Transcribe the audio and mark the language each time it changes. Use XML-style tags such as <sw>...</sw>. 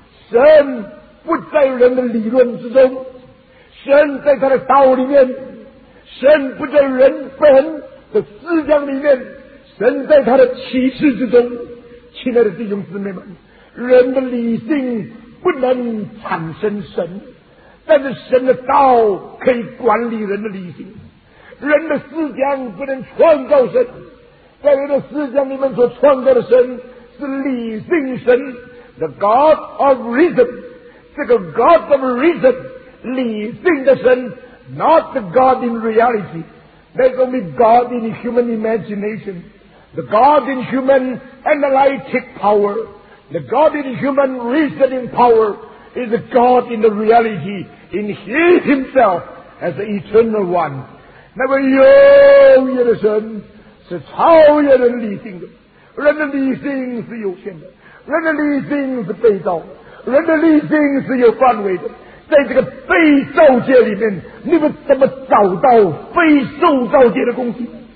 <zh>神不在人的理论之中，神在他的道里面，神不在人本的思想里面，神在他的启示之中。亲爱的弟兄姊妹们，人的理性不能产生神，但是神的道可以管理人的理性。人的思想不能创造神，在人的思想里面所创造的神是理性神，</zh> <en>The God of Reason，</en> <zh>这个</zh> <en>God of Reason</en> <zh>理性的神，</zh> <en>Not the God in reality， There's only God in human imagination， The God in human analytic power， The God in human reasoning power is the God in the reality， in He Himself as the Eternal One。</en> <zh>那位永远的神是超越人理性的，人的理性是有限的，人的理性是被造，人的理性是有范围的。在这个被造界里面，你们怎么找到非受造界的攻击？</zh>